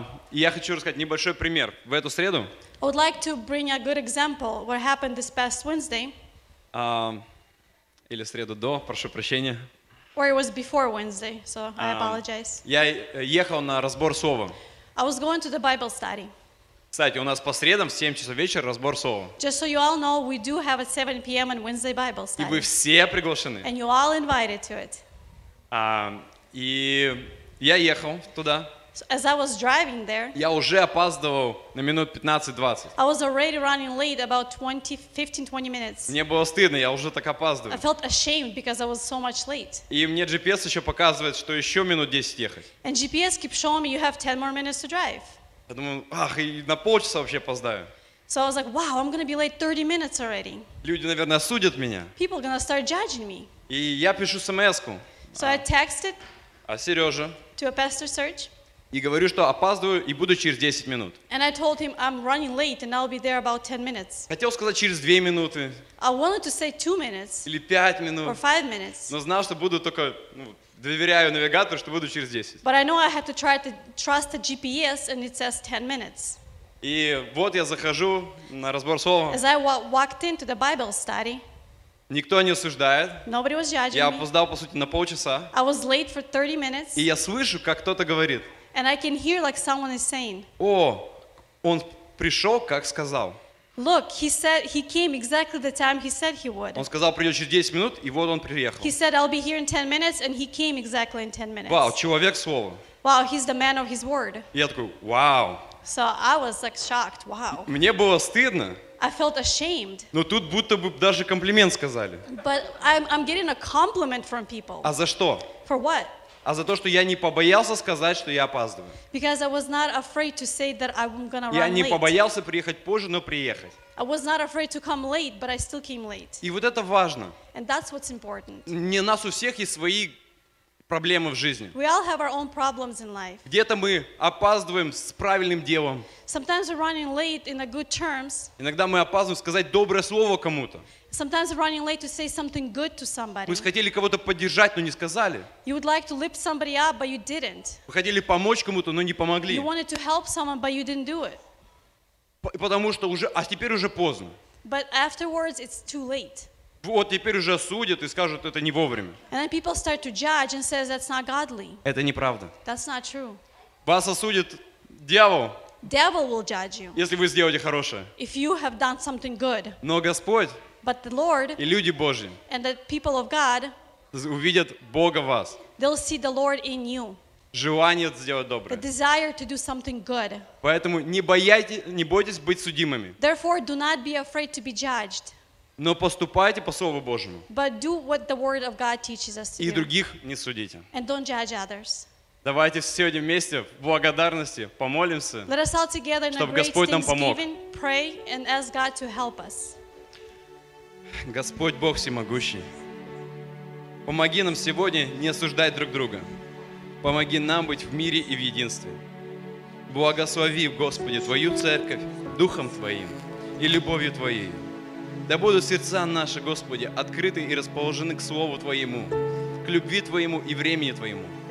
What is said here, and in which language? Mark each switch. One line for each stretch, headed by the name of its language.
Russian: Я хочу рассказать небольшой пример в эту среду.
English: I would like to bring a good example what happened this past Wednesday.
Russian: Или среду до, прошу прощения.
English: Or it was before Wednesday, so I apologize.
Russian: Я ехал на разбор слова.
English: I was going to the Bible study.
Russian: Кстати, у нас по средам в 7 часов вечера разбор слова.
English: Just so you all know, we do have at 7 p.m. on Wednesday Bible study.
Russian: И вы все приглашены.
English: And you all invited to it.
Russian: И я ехал туда.
English: So as I was driving there,
Russian: я уже опаздывал на минут 15-20.
English: I was already running late about 15-20 minutes.
Russian: Мне было стыдно, я уже так опаздываю.
English: I felt ashamed because I was so much late.
Russian: И мне GPS еще показывает, что еще минут 10 ехать.
English: And GPS keeps showing me you have 10 more minutes to drive.
Russian: Я думаю, ах, и на полчаса вообще опоздаю.
English: So I was like, wow, I'm going to be late 30 minutes already.
Russian: Люди, наверное, осудят меня.
English: People are going to start judging me.
Russian: И я пишу смс-ку.
English: So I texted
Russian: Сережа
English: to a pastor search.
Russian: И говорю, что опаздываю и буду через 10 минут.
English: And I told him I'm running late and I'll be there about 10 minutes.
Russian: Хотел сказать через 2 минуты.
English: I wanted to say 2 minutes.
Russian: Или 5 минут.
English: Or 5 minutes.
Russian: Но знал, что буду только, ну, доверяю навигатору, что буду через 10.
English: But I know I have to try to trust the GPS and it says 10 minutes.
Russian: И вот я захожу на разбор слова.
English: As I walked into the Bible study.
Russian: Никто не осуждает.
English: Nobody was judging me.
Russian: Я опоздал, по сути, на полчаса.
English: I was late for 30 minutes.
Russian: И я слышу, как кто-то говорит.
English: And I can hear like someone is saying.
Russian: О, он пришел, как сказал.
English: Look, he said he came exactly the time he said he would.
Russian: Он сказал, придет через 10 минут, и вот он приехал.
English: He said I'll be here in 10 minutes, and he came exactly in 10 minutes.
Russian: Вау, человек слова.
English: Wow, he's the man of his word.
Russian: Я такой, вау.
English: So I was like shocked. Wow.
Russian: Мне было стыдно.
English: I felt ashamed.
Russian: Но тут будто бы даже комплимент сказали.
English: But I'm getting a compliment from people.
Russian: А за что?
English: For what?
Russian: А за то, что я не побоялся сказать, что я опаздываю.
English: Because I was not afraid to say that I'm gonna run late.
Russian: Я не побоялся приехать позже, но приехать.
English: I was not afraid to come late, but I still came late.
Russian: И вот это важно.
English: And that's what's important.
Russian: Не у нас у всех есть свои проблемы в жизни.
English: We all have our own problems in life.
Russian: Где-то мы опаздываем с правильным делом.
English: Sometimes we're running late in a good terms.
Russian: Иногда мы опаздываем сказать доброе слово кому-то.
English: Sometimes we're running late to say something good to somebody.
Russian: Мы хотели кого-то поддержать, но не сказали.
English: You would like to lift somebody up, but you didn't.
Russian: Вы хотели помочь кому-то, но не помогли.
English: You wanted to help someone, but you didn't do it.
Russian: Потому что уже, а теперь уже поздно.
English: But afterwards, it's too late.
Russian: Вот теперь уже судят и скажут, это не вовремя.
English: And then people start to judge and says that's not godly.
Russian: Это неправда.
English: That's not true.
Russian: Вас осудит дьявол.
English: Devil will judge you.
Russian: Если вы сделаете хорошее.
English: If you have done something good.
Russian: Но Господь.
English: But the Lord.
Russian: И люди Божьи.
English: And the people of God.
Russian: Увидят Бога в вас.
English: They'll see the Lord in you.
Russian: Желание сделать доброе.
English: The desire to do something good.
Russian: Поэтому не бойтесь быть судимыми.
English: Therefore, do not be afraid to be judged.
Russian: Но поступайте по Слову Божьему.
English: But do what the Word of God teaches us to
Russian: do. И других не судите.
English: And don't judge others.
Russian: Давайте сегодня вместе в благодарности помолимся,
English: Let us all together in
Russian: чтобы Господь нам помог.
English: Pray and ask God to help us.
Russian: Господь Бог всемогущий, помоги нам сегодня не осуждать друг друга. Помоги нам быть в мире и в единстве. Благослови, Господи, Твою Церковь Духом Твоим и любовью Твоей. Да будут сердца наши, Господи, открыты и расположены к Слову Твоему, к любви Твоему и времени Твоему.